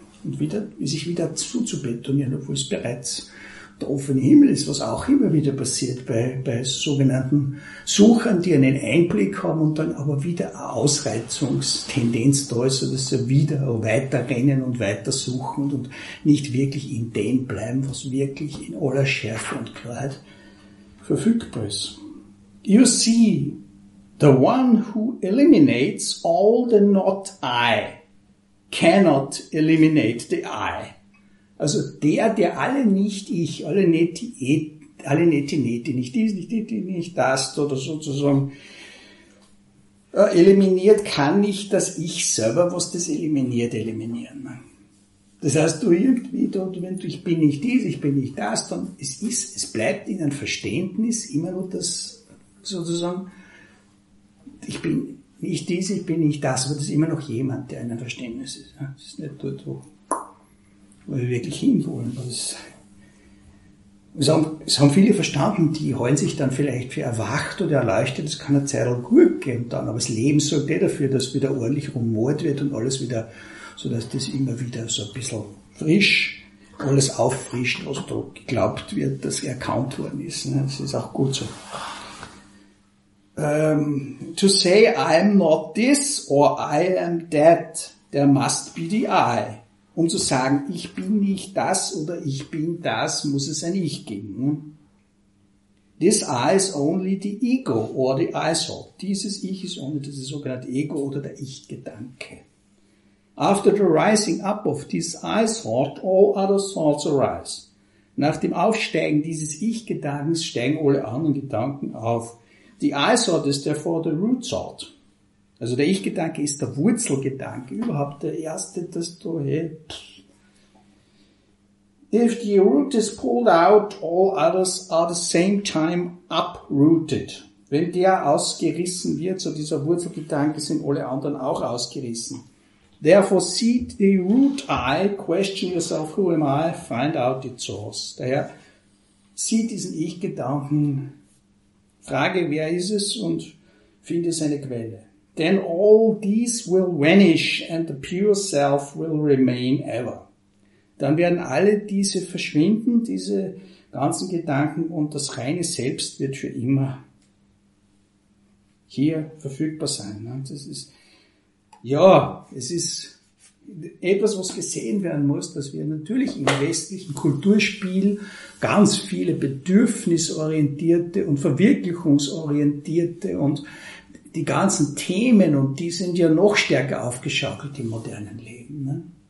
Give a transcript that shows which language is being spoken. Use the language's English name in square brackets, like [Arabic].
[German] Und wieder, sich wieder zuzubetonieren, obwohl es bereits der offene Himmel ist, was auch immer wieder passiert bei sogenannten Suchern, die einen Einblick haben und dann aber wieder eine Ausreizungstendenz da ist, sodass sie wieder weiter rennen und weiter suchen und nicht wirklich in dem bleiben, was wirklich in aller Schärfe und Klarheit verfügbar ist. [English] You see, the one who eliminates all the not-I cannot eliminate the I. [German] Also der alle Nicht-Ich, alle Neti-Neti, nicht dies, nicht die, nicht das, oder sozusagen, eliminiert, kann nicht das Ich selber, was das eliminiert, eliminieren. Das heißt, du irgendwie, du, wenn du, ich bin nicht dies, ich bin nicht das, dann es bleibt in einem Verständnis immer nur das, sozusagen, ich bin nicht dies, ich bin nicht das, aber das ist immer noch jemand, der ein Verständnis ist. Das ist nicht dort, wo wir wirklich hinwollen. Es haben viele verstanden, die heulen sich dann vielleicht für erwacht oder erleuchtet, das kann eine Zeit lang gut gehen dann, aber das Leben sorgt eh dafür, dass wieder ordentlich rumort wird und alles wieder, sodass das immer wieder so ein bisschen frisch, alles auffrischt, was da geglaubt wird, dass erkannt worden ist. Das ist auch gut so. [English] To say I'm not this or I am that, there must be the I. [German] Um zu sagen, ich bin nicht das oder ich bin das, muss es ein Ich geben. [English] This I is only the ego or the I thought. [German] Dieses Ich ist [English] only [German] das sogenannte Ego oder der Ich-Gedanke. [English] After the rising up of this I thought, all other thoughts arise. [German] Nach dem Aufsteigen dieses Ich-Gedankens steigen alle anderen Gedanken auf. [English] The I-Thought is therefore the root-Thought. [German] Also der Ich-Gedanke ist der Wurzelgedanke, überhaupt der erste, das du, hey. [English] If the root is pulled out, all others are the same time uprooted. [German] Wenn der ausgerissen wird, so dieser Wurzelgedanke, sind alle anderen auch ausgerissen. [English] Therefore see the root-I, question yourself, who am I, find out its source. [German] Daher, sieh diesen Ich-Gedanken, frage, wer ist es und finde seine Quelle. [English] Then all these will vanish and the pure self will remain ever. [German] Dann werden alle diese verschwinden, diese ganzen Gedanken und das reine Selbst wird für immer hier verfügbar sein. Das ist Ja, es ist etwas, was gesehen werden muss, dass wir natürlich im westlichen Kulturspiel ganz viele bedürfnisorientierte und verwirklichungsorientierte und die ganzen Themen, und die sind ja noch stärker aufgeschaukelt im modernen Leben, ne?